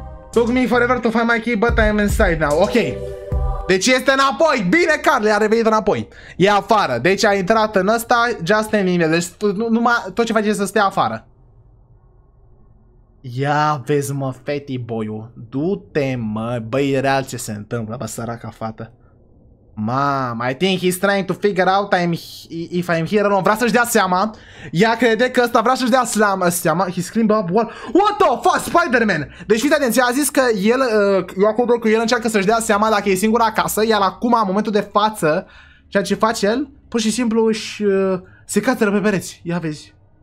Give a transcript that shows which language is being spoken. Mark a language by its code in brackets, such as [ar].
[en] Took me forever to find my key, but I'm inside now. [ro] Ok. Deci este înapoi. Bine, Carl, a revenit înapoi. E afară. Deci a intrat în ăsta, [en] just in email. [ro] Deci numai tot ce face este să stea afară. Ia, vezi, mă, fatty boy-ul. Du-te, mă. Băi, e real ce se întâmplă, bă, săraca fată. [en] Mom, I think he's trying to figure out if I'm here or not. [ro] Vrea să-și dea seama. Ea crede că ăsta vrea să-și dea seama. [en] He screamed up wall. What the fuck, Spider-Man? [ro] Deci fiți atenție, a zis că el, eu acolo că el încearcă să-și dea seama dacă e singur acasă. Iar acum, în momentul de față, ceea ce face el, pur și simplu își se cațără pe pereți. Ia vezi.